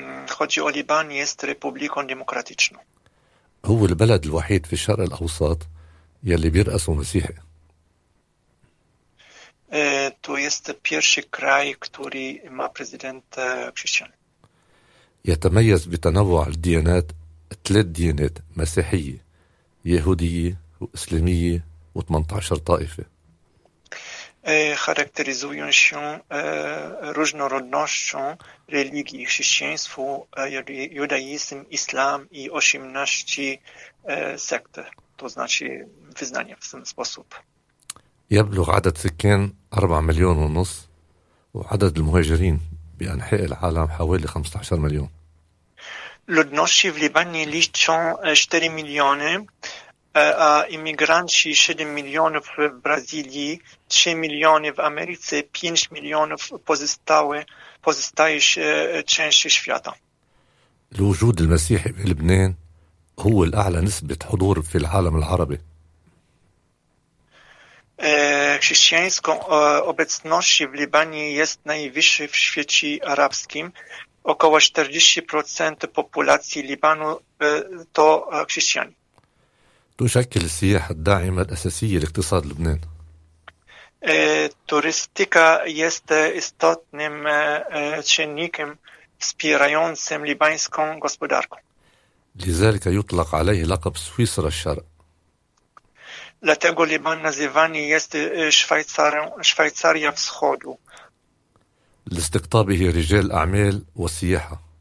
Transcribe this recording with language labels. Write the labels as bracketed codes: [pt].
[pl] Chodzi o Liban, jest republiką demokratyczną. [ar] هو البلد الوحيد في الشرق الأوسط يلي بيرأسه مسيحي. [pl] To jest pierwszy kraj, który ma prezydent chrześcijan. [ar] يتميز بتنوع الديانات 3 ديانات مسيحية يهودية وإسلامية و18 طائفة. [pl] Charakteryzują się różnorodnością religii, chrześcijaństwo, judaizm, islam i 18 sekt, to znaczy wyznania w ten sposób. [ar] يبلغ عدد سكان 4.5 مليون وعدد المهاجرين بأنحاء العالم حوالي 15 مليون. [pl] Ludności w Libanie liczą 4 miliony, a imigranci 7 milionów w Brazylii, 3 miliony w Ameryce, 5 milionów pozostaje części świata. [ar] الوجود المسيحي في لبنان هو الأعلى نسبة حضور في العالم العربي. [pl] Chrześcijańską obecności w Libanie jest najwyższy w świecie arabskim. Około 40% populacji Libanu to chrześcijanie. [ar] تشكل السياحة الداعمة الأساسية لاقتصاد لبنان. [pl] Turystyka jest istotnym czynnikiem wspierającym libańską gospodarkę. [ar] لذلك يطلق عليه لقب سويسرا الشرق. [pl] Dlatego Liban nazywany jest Szwajcaria Wschodu. [ar] لاستقطابه رجال أعمال والسياحة.